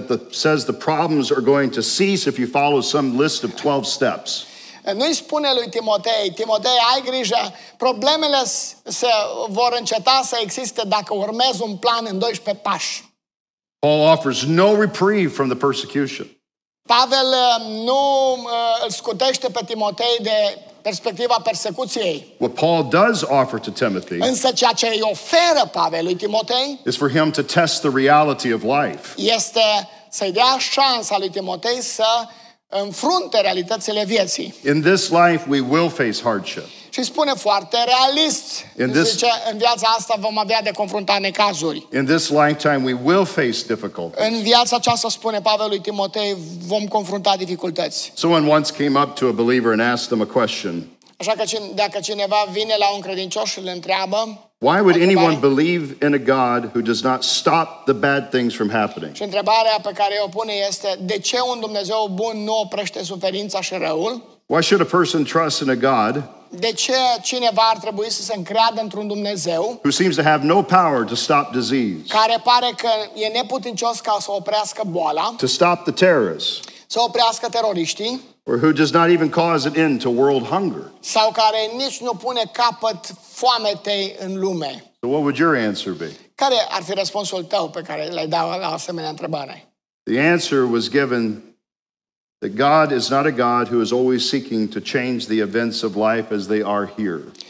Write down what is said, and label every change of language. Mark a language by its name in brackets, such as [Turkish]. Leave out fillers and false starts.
[English] Says the problems are going to cease if you follow some list of 12 steps. [Romanian] Nu-i spune lui Timotei, Timotei, ai grijă, problemele se vor înceta să existe dacă urmezi un plan în 12 pași. [English] Paul offers no reprieve from the persecution. [Romanian] Pavel nu îl scutește pe Timotei de perspectiva persecuției. [English] What Paul does offer to Timothy, [Romanian] însă ceea ce îi oferă Pavel lui Timotei, [English] is for him to test the reality of life. [Romanian] Este să-i dea șansa lui Timotei să înfrunte realitățile vieții. [English] In this life we will face hardship. [Romanian] Și spune foarte realist, zice, în viața asta vom avea de confruntat necazuri. [English] In this lifetime we will face difficulties. [Romanian] În viața aceasta, spune Pavel lui Timotei, vom confrunta dificultăți. [English] Someone once came up to a believer and asked them a question. [Romanian] Așa că dacă cineva vine la un credincioș și le întreabă, [English] why would anyone believe in a God who does not stop the bad things from happening? [Romanian] Și întrebarea pe care o pune este, de ce un Dumnezeu bun nu oprește suferința și răul? [English] Why should a person trust in a God? [Romanian] De ce cineva ar trebui să se încreadă într-un Dumnezeu? [English] Who seems to have no power to stop disease? [Romanian] Care pare că e neputincios ca să oprească boala? [English] To stop the terrorists? [Romanian] Să oprească teroriștii? [English] Or who does not even cause an end to world hunger? [Romanian] Sau care nici nu pune capăt foametei în lume. [English] So what would your answer be? [Romanian] Care ar fi răspunsul tău pe care l-ai dat la asemenea întrebare? [English] The answer was given that God is not a God who is always seeking to change the events of life as they are here.